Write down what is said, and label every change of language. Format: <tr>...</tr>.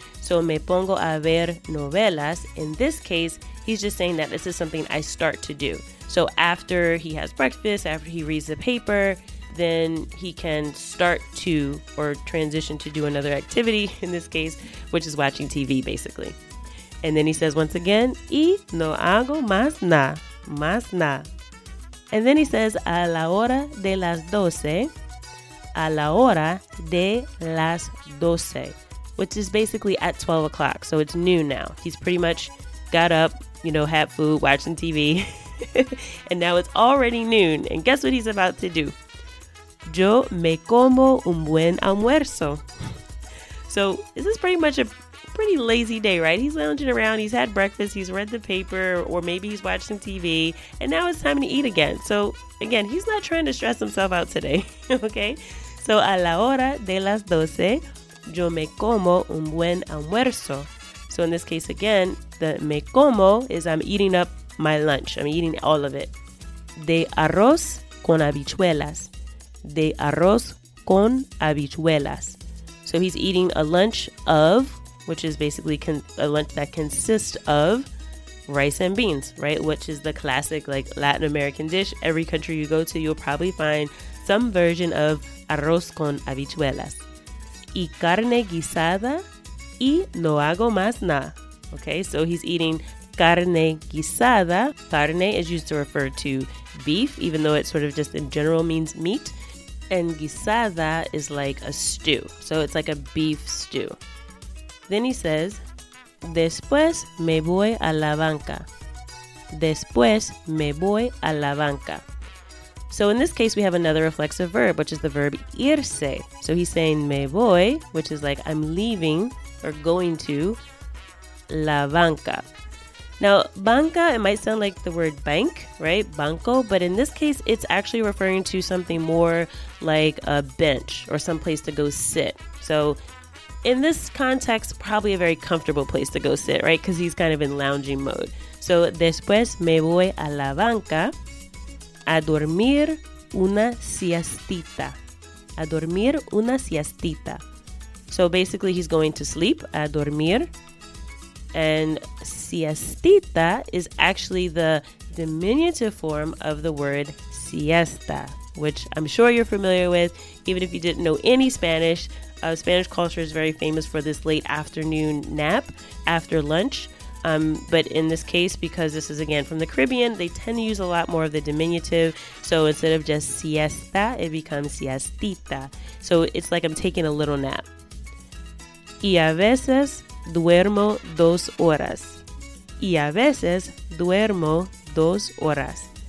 <en>So</en> <es>me pongo a ver novelas.</es> <en>In this case, he's just saying that this is something I start to do. So after he has breakfast, after he reads the paper, then he can start to or transition to do another activity in this case, which is watching TV basically. And then he says once again,</en> <es>y no hago más nada, más nada.</es> <en>And then he says,</en> <es>a la hora de las doce,</es> <en>a la hora de las doce, which is basically at 12 o'clock. So it's noon now. He's pretty much got up, you know, had food, watching TV. And now it's already noon. And guess what he's about to do?</en> <es>Yo me como un buen almuerzo.</es> <en>So this is pretty much a pretty lazy day, right? He's lounging around. He's had breakfast. He's read the paper. Or maybe he's watched some TV. And now it's time to eat again. So again, he's not trying to stress himself out today. Okay?</en> <es>So a la hora de las doce, yo me como un buen almuerzo.</es> <en>So in this case, again, the</en> <es>me como</es> <en>is I'm eating up my lunch. I'm eating all of it.</en> <es>De arroz con habichuelas. De arroz con habichuelas.</es> <en>So he's eating a lunch of, which is basically a lunch that consists of rice and beans, right? Which is the classic like Latin American dish. Every country you go to, you'll probably find some version of</en> <es>arroz con habichuelas. Y carne guisada y no hago más nada.</es> <en>Okay, so he's eating carne guisada. Carne is used to refer to beef, even though it sort of just in general means meat. And guisada is like a stew. So it's like a beef stew. Then he says,</en> <es>después me voy a la banca. Después me voy a la banca.</es> <en>So in this case, we have another reflexive verb, which is the verb irse. So he's saying</en> <es>me voy,</es> <en>which is like I'm leaving or going to</en> <es>la banca.</es> <en>Now, banca, it might sound like the word bank, right? Banco. But in this case, it's actually referring to something more like a bench or some place to go sit. So in this context, probably a very comfortable place to go sit, right? Because he's kind of in lounging mode.</en> <es>So después me voy a la banca a dormir una siestita. A dormir una siestita.</es> <en>So basically, he's going to sleep,</en> <es>a dormir.</es> <en>And siestita is actually the diminutive form of the word siesta, which I'm sure you're familiar with, even if you didn't know any Spanish. Spanish culture is very famous for this late afternoon nap after lunch. But in this case, because this is, again, from the Caribbean, they tend to use a lot more of the diminutive. So instead of just siesta, it becomes siestita. So it's like I'm taking a little nap.</en> <es>Y a veces duermo dos horas. Y a veces duermo dos horas.</es>